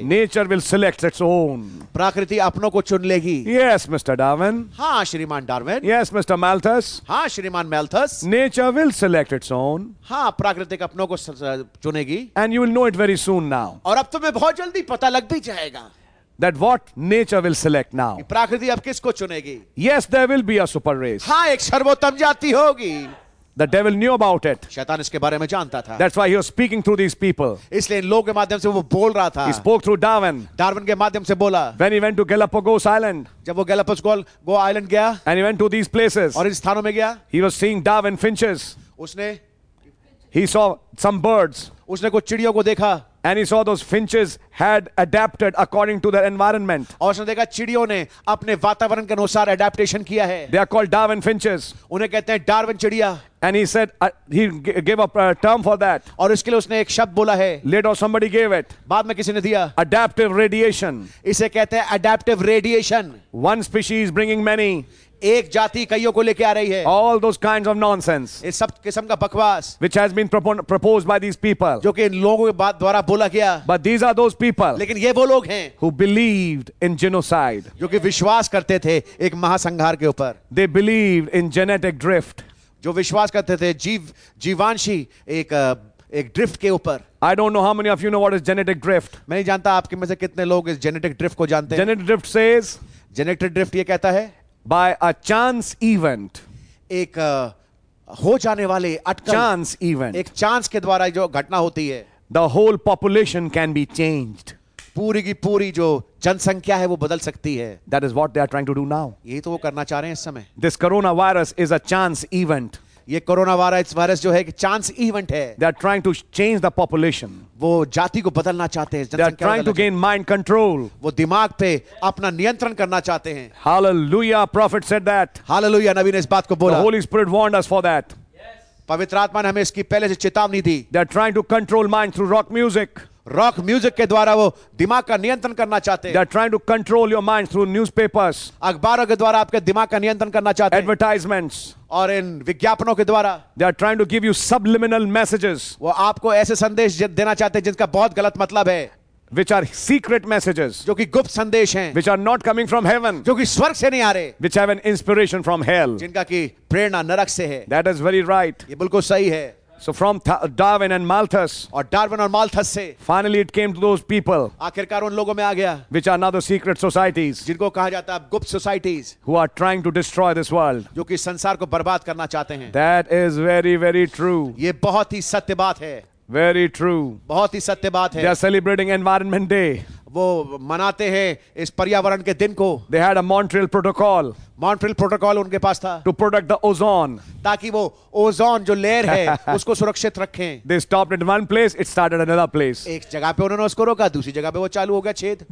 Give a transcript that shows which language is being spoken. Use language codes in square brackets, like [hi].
[en] nature will select its own [hi] प्रकृति अपनों को चुन लेगी [en] yes mister Darwin [hi] हाँ श्रीमान डार्विन [en] yes mister Malthus [hi] हाँ श्रीमान मैल्थस [en] nature will select its own [hi] हाँ प्राकृतिक अपनों को चुनेगी [en] and you will know it very soon now [hi] और अब तुम्हें बहुत जल्दी पता लग भी जाएगा [en] That what nature will select now. [hi] प्रकृति अब किसको चुनेगी? [en] Yes, there will be a super race. [hi] हाँ, एक सर्वोत्तम जाति होगी. [en] The devil knew about it. [hi] शैतान इसके बारे में जानता था. [en] That's why he was speaking through these people. [hi] इसलिए इन लोगों के माध्यम से वो बोल रहा था. [en] He spoke through Darwin. [hi] Darwin के माध्यम से बोला. [en] When he went to Galapagos Island. [hi] जब वो गैलापागोस आइलैंड गया. [en] And he went to these places. [hi] और इन स्थानों में गया. [en] He was seeing Darwin finches. [hi] उसने. [en] He saw some birds. [hi] उसने कुछ चिड़ियों को देखा. [en] And he saw those finches had adapted according to their environment. [hi] और उसने देखा चिड़ियों ने अपने वातावरण के अनुसार adaptation किया है. [en] They are called Darwin finches. [hi] उन्हें कहते हैं डार्विन चिड़िया. [en] And he said he gave up a term for that. [hi] और इसके लिए उसने एक शब्द बोला है. [en] Later somebody gave it. [hi] बाद में किसी ने दिया. [en] Adaptive radiation. [hi] इसे कहते हैं adaptive radiation. [en] One species bringing many. [hi] एक जाति कईयों को लेके आ रही है [en] all those kinds of nonsense [hi] इस सब किस्म का बकवास [en] which has been proposed by these people [hi] जो कि इन लोगों के द्वारा बोला गया [en] but these are those people [hi] लेकिन ये वो लोग हैं [en] who believed in genocide [hi] जो कि विश्वास करते थे एक महासंहार के ऊपर [en] they believed in genetic drift [hi] जो विश्वास करते थे जीवांशी एक ड्रिफ्ट के ऊपर [en] I don't know how many of you know what is genetic drift [hi] मैं नहीं जानता आपके में से कितने लोग इस जेनेटिक ड्रिफ्ट को जानते हैं [en] genetic drift says [hi] genetic drift ये कहता है [en] By a chance event, [hi] एक हो जाने वाले अटकल [en] chance event, [hi] एक चांस के द्वारा जो घटना होती है [en] the whole population can be changed. [hi] पूरी की पूरी जो जनसंख्या है वो बदल सकती है [en] That is what they are trying to do now. [hi] ये तो वो करना चाह रहे हैं इस समय [en] This coronavirus is a chance event. [hi] ये कोरोना वायरस जो है कि चांस इवेंट है [en] they are trying to change the population [hi] वो जाति को बदलना चाहते हैं [en] they are trying to gain mind control [hi] वो दिमाग पे अपना नियंत्रण करना चाहते हैं [en] hallelujah prophet said that [hi] hallelujah नबी ने इस बात को बोला [en] the holy spirit warned us for that [hi] पवित्र आत्मा ने हमें इसकी पहले से चेतावनी दी [en] they are trying to control mind through rock music [hi] rock music के द्वारा वो दिमाग का नियंत्रण करना चाहते हैं [en] they are trying to control your mind through newspapers [hi] अखबारों के द्वारा आपके दिमाग का नियंत्रण करना चाहते हैं [en] advertisements [hi] और इन विज्ञापनों के द्वारा [en] they are trying to give you subliminal messages [hi] वो आपको ऐसे संदेश देना चाहते हैं जिनका बहुत गलत मतलब है [en] Which are secret messages? [hi] जो कि गुप्त संदेश हैं. [en] Which are not coming from heaven? [hi] जो कि स्वर्ग से नहीं आ रहे. [en] Which have an inspiration from hell? [hi] जिनका कि प्रेरणा नरक से है. [en] That is very right. [hi] ये बिल्कुल सही है. [en] So from Darwin and Malthus. [hi] और डार्विन और माल्थस से. [en] Finally, it came to those people. [hi] आखिरकार उन लोगों में आ गया. [en] Which are now the secret societies? [hi] जिनको कहा जाता है गुप्त societies. [en] Who are trying to destroy this world? [hi] जो कि संसार को बर्बाद करना चाहते हैं. [en] That is very, very true. [hi] ये बहुत ही सत्य बात है. [en] Very true. [hi] बहुत ही सत्य बात है. [en] They are celebrating Environment Day. [hi] वो मनाते हैं इस पर्यावरण के दिन को. [en] They had a Montreal Protocol. [hi] Montreal Protocol उनके पास था. [en] To protect the ozone. [hi] ताकि वो ओजोन जो लेयर है उसको सुरक्षित रखें. [en] They stopped at one place, it started another place. [hi] एक जगह पे उन्होंने उसको रोका, दूसरी जगह पे वो चालू हो गया छेद.